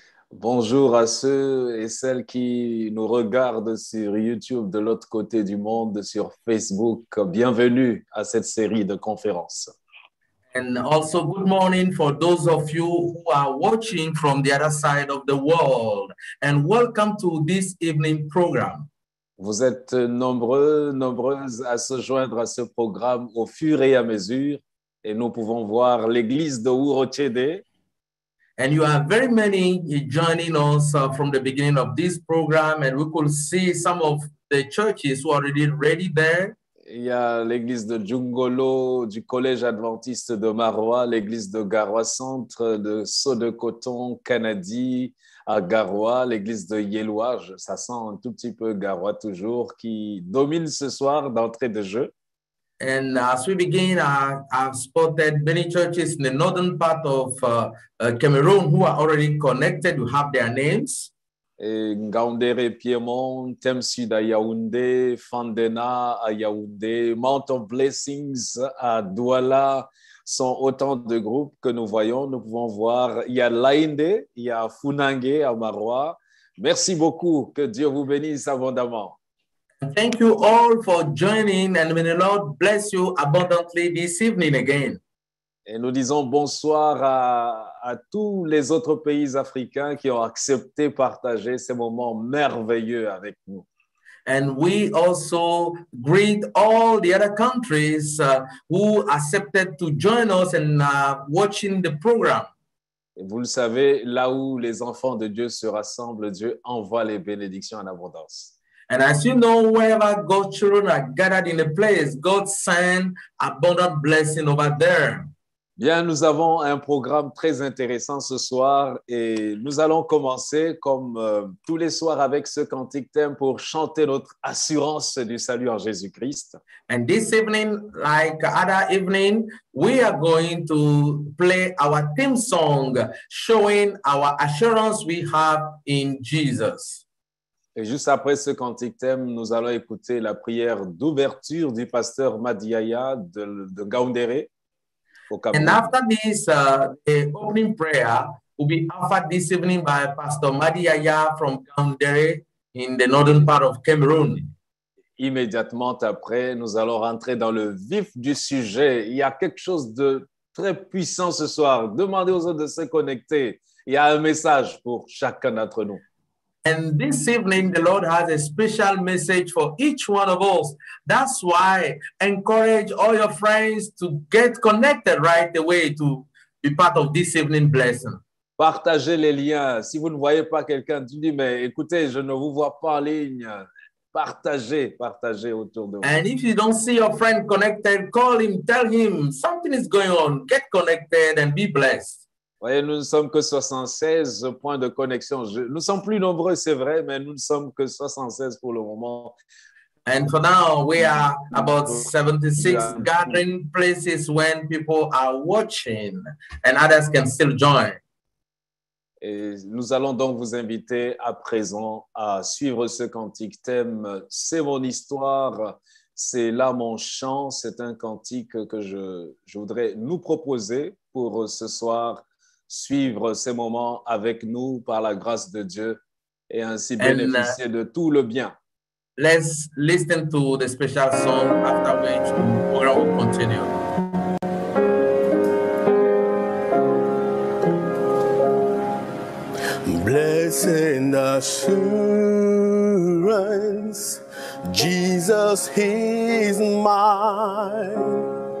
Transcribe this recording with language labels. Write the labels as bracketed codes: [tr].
[fr] Bonjour à ceux et celles qui nous regardent sur YouTube de l'autre côté du monde, sur Facebook. Bienvenue à cette série de conférences. [en] And also good morning for those of you who are watching from the other side of the world. And welcome to this evening program. [fr] Vous êtes nombreux, nombreuses à se joindre à ce programme au fur et à mesure. Et nous pouvons voir l'église de Ourochede. [en] And you are very many joining us from the beginning of this program. And we could see some of the churches who are already ready there. [fr] Il y a l'église de Djungolo, du collège adventiste de Maroua, l'église de Garoua Centre, de Sceaux de Coton, Kanadi, à Garoua, l'église de Yeloua, ça sent un tout petit peu Garoua toujours, qui domine ce soir d'entrée de jeu. [en] And as we begin, I've spotted many churches in the northern part of Cameroon who are already connected, who have their names. [fr] Et Ngaoundéré, Piémont, Thème Sud à Yaoundé, Fandena à Yaoundé, Mount of Blessings à Douala sont autant de groupes que nous voyons. Nous pouvons voir, il y a Laïndé, il y a Founangé à Maroua. Merci beaucoup, que Dieu vous bénisse abondamment. [en] Thank you all for joining and may the Lord bless you abundantly this evening again. [fr] Et nous disons bonsoir à tous les autres pays africains qui ont accepté partager ces moments merveilleux avec nous. [en] And we also greet all the other countries who accepted to join us and watching the program. [fr] Et vous le savez, là où les enfants de Dieu se rassemblent, Dieu envoie les bénédictions en abondance. [en] And as you know, wherever God's children are gathered in a place, God sends abundant blessing over there. [fr] Bien, nous avons un programme très intéressant ce soir et nous allons commencer comme tous les soirs avec ce cantique thème pour chanter notre assurance du salut en Jésus-Christ. [en] And this evening, like other evening, we are going to play our theme song showing our assurance we have in Jesus. [fr] Et juste après ce cantique thème, nous allons écouter la prière d'ouverture du pasteur Madiaya de Ngaoundéré. [en] And after this, the opening prayer will be offered this evening by Pastor Madiaya from Ngaoundéré in the northern part of Cameroon. [fr] Immédiatement après, nous allons rentrer dans le vif du sujet. Il y a quelque chose de très puissant ce soir. Demandez aux autres de se connecter. Il y a un message pour chacun d'entre nous. [en] And this evening, the Lord has a special message for each one of us. That's why encourage all your friends to get connected right away to be part of this evening blessing. [fr] Partagez les liens. Si vous ne voyez pas quelqu'un, tu dis, mais écoutez, je ne vous vois pas en ligne. Partagez, partagez autour de vous. [en] And if you don't see your friend connected, call him, tell him something is going on. Get connected and be blessed. [fr] Voyez, nous ne sommes que 76 points de connexion. Nous sommes plus nombreux, c'est vrai, mais nous ne sommes que 76 pour le moment. [en] And for now, we are about 76 gathering places when people are watching and others can still join. [fr] Et nous allons donc vous inviter à présent à suivre ce cantique thème. C'est mon histoire, c'est là mon chant. C'est un cantique que je voudrais nous proposer pour ce soir. Suivre ces moments avec nous par la grâce de Dieu et ainsi bénéficier de tout le bien. [en] Let's listen to the special song after which the program will continue. Blessing assurance, Jesus is mine.